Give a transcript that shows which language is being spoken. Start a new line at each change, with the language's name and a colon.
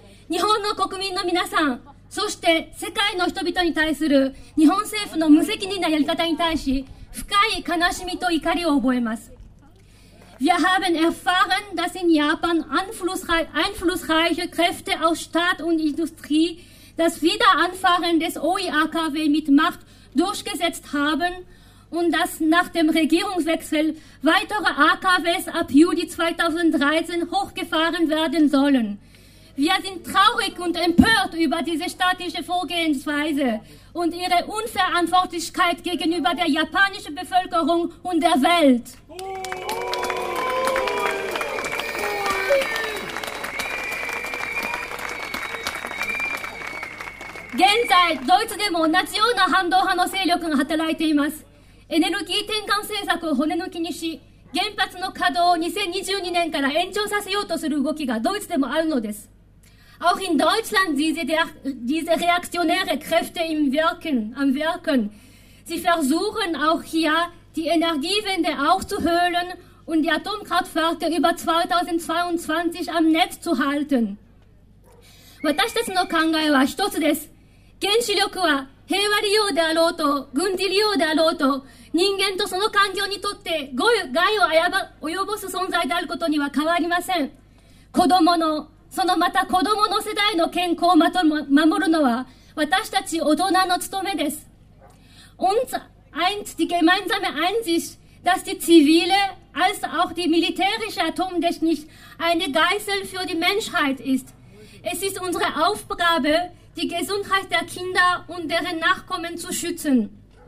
Japanese: 日本の国民の皆さん、そして世界の人々に対する日本政府の無責任なやり方に対し深い悲しみと怒りを覚えます。
German: Wir haben erfahren, dass in Japan einflussreiche Kräfte aus Staat und Industrie das Wiederanfahren des OIAKW mit Macht durchgesetzt habenUnd dass nach dem Regierungswechsel weitere AKWs ab Juli 2013 hochgefahren werden sollen. Wir sind traurig und empört über diese staatliche Vorgehensweise und ihre Unverantwortlichkeit gegenüber der japanischen Bevölkerung und der Welt. Gegenwärtig, Deutsche
Japanese: でも同じような反動派の勢力が働いています。エネルギー転換政策を骨抜きにし、原発の稼働を2022年から延長させようとする動きがドイツでもあるのです。
German: Auch in Deutschland diese reaktionäre Kräfte im Wirken, am Wirken. Sie versuchen auch hier die Energiewende aufzuhöhlen und die Atomkraftwerke über 2022 am Netz zu halten.
Japanese: 私たちの考えは一つです。原子力は平和利用であろうと軍事利用であろうと人間とその環境にとって害を及ぼす存在であることには変わりません。子供のそのまた子供の世代の健康を守るのは私たち大人の務めです。
German: Uns eint die gemeinsame Einsicht, dass die zivile als auch die militärische Atomtechnik eine Geißel für die Menschheit ist. Es ist unsere Aufgabe, die Gesundheit der Kinder und deren Nachkommen zu schützen.